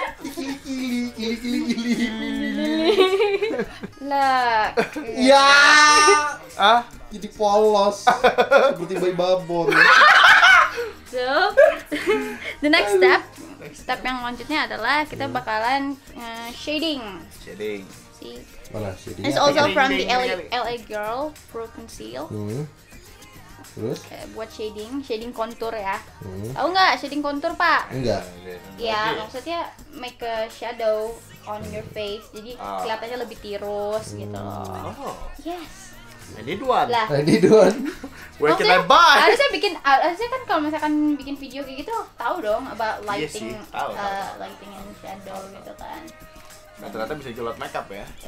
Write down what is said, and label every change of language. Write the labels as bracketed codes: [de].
[id] kili-kili, kili-kili, kili. Lek. Ya. Hah? Jadi polos. Seperti bayi babon. [en] So, the next step. [id] Step yang selanjutnya adalah kita bakalan shading. Shading. [en] See? [id] Mana shading? [en] It's also from the LA Girl Pro Conceal. [id] Terus? Kayak buat shading, shading contour ya. Tahu nggak shading contour, Pak? Enggak. Ya, maksudnya [en] make a shadow on your face. [id] Jadi kelihatannya lebih tirus gitu. [en] Yes. I need one. Lah. I need one. Where can I buy? [id] Harusnya bikin, harusnya kan kalau misalkan bikin video kayak gitu, tahu dong [en] about lighting, [id] yes, tahu, [en] lighting and shadow [id] gitu kan. Nah, ternyata bisa jelat makeup ya.